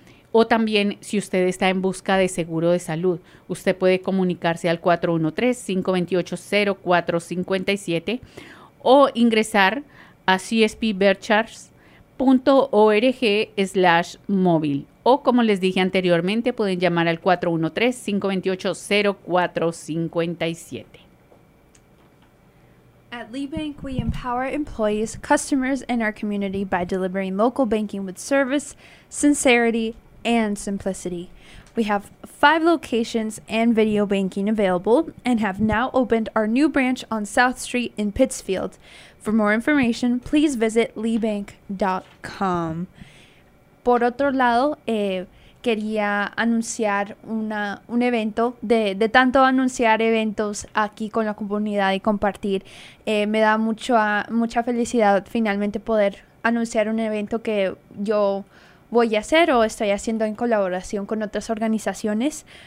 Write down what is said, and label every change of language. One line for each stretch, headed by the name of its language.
Spanish: O también, si usted está en busca de seguro de salud, usted puede comunicarse al 413-528-0457 o ingresar a csbbertchars.org/móvil. O como les dije anteriormente, pueden llamar al 413-528-0457.
English: At Lee Bank, we empower employees, customers, and our community by delivering local banking with service, sincerity, and simplicity. We have 5 locations and video banking available and have now opened our new branch on South Street in Pittsfield. For more information, please visit leebank.com.
Spanish: Por otro lado, quería anunciar un evento de tanto anunciar eventos aquí con la comunidad y compartir. Me da mucha felicidad finalmente poder anunciar un evento que yo voy a hacer o estoy haciendo en colaboración con otras organizaciones.